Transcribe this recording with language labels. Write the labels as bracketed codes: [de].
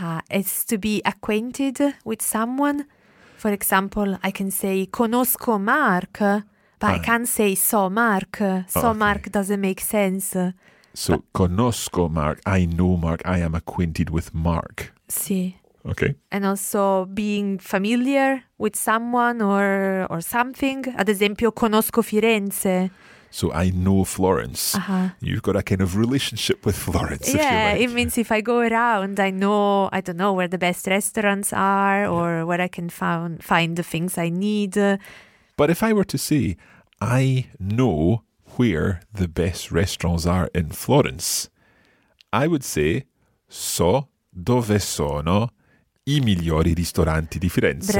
[en] It's to be acquainted with someone. For example, I can say [it] conosco Mark, [en] but I can't say so Mark. Mark doesn't make sense. So conosco Mark, I know Mark, I am acquainted with Mark. Sì. Okay. And also being familiar with someone or something. [it] Ad esempio, conosco Firenze. [en] So I know Florence. You've got a kind of relationship with Florence. Yeah, if you like. It means if I go around, I know, I don't know, where the best restaurants are or where I can find the things I need. But if I were to say, I know where the best restaurants are in Florence, I would say, [it] so dove sono I migliori ristoranti di Firenze.